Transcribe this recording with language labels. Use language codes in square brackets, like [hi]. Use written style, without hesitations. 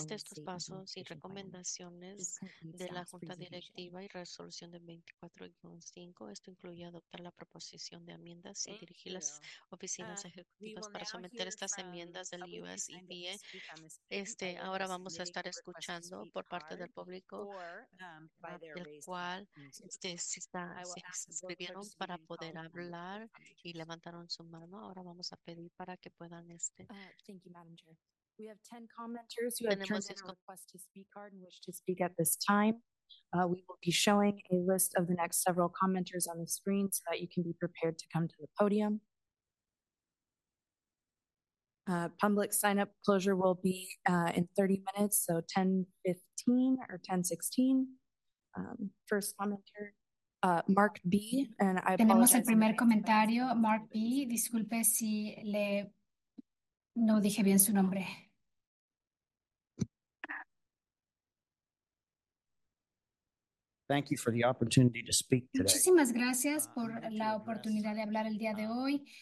[es] Y estos pasos y recomendaciones de la Junta Directiva y Resolución de 24.5, esto incluye adoptar la proposición de enmiendas y dirigir las oficinas ejecutivas para someter estas enmiendas del US EPA. Ahora vamos a estar escuchando por parte del público, el cual se inscribieron para poder hablar y levantaron su mano. Ahora vamos a pedir para que puedan [en] Thank you, Madam Chair. We have 10 commenters who have turned in a request to speak card and wish to speak at this time. We will be showing a list of the next several commenters on the screen so that you can be prepared to come to the podium. Public sign-up closure will be in 30 minutes, so 10:15 or 10:16. First commenter. Mark B. And I [es] tenemos el primer comentario. Mark B. Disculpe si le no dije bien su nombre. [en] Thank you for the opportunity to speak today. [es] Muchísimas gracias por la oportunidad de hablar el día de hoy.